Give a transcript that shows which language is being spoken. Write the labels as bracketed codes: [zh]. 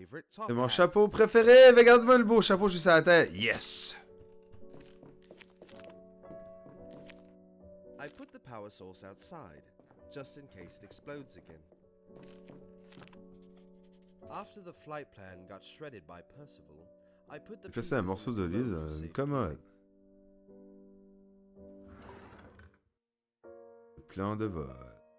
[fr] C'est mon chapeau préféré! Regarde-moi le beau chapeau juste à la tête! [en] Yes! I put the power source outside, just in case it explodes again. After the flight plan got shredded by Percival, I put the pieces [fr] un morceau de lui dans une commode. Plan de vol.